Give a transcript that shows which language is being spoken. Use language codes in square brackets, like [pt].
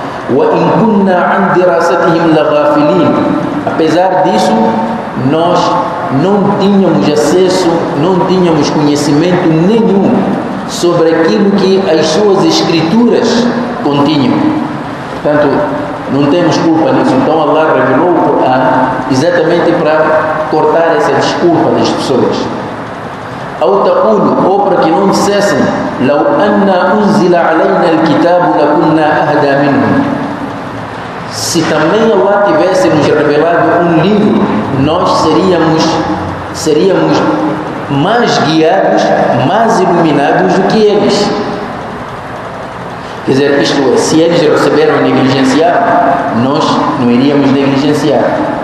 [ar] Wa in kunna an dirasatihim la ghafilin. [pt] Apesar disso, nós não tínhamos acesso, não tínhamos conhecimento nenhum sobre aquilo que as suas escrituras continham. Portanto, não temos culpa nisso. Então, Allah revelou o Corão exatamente para cortar essa desculpa das pessoas. Ou taqulu, ou para que não dissessem, [ar] لو أن أنزل علينا الكتاب لكنا أهدى منهم. [pt] Se também Allah tivesse nos revelado um livro, nós seríamos mais guiados, mais iluminados do que eles. Quer dizer, isto é, se eles receberam negligenciar, nós não iríamos negligenciar.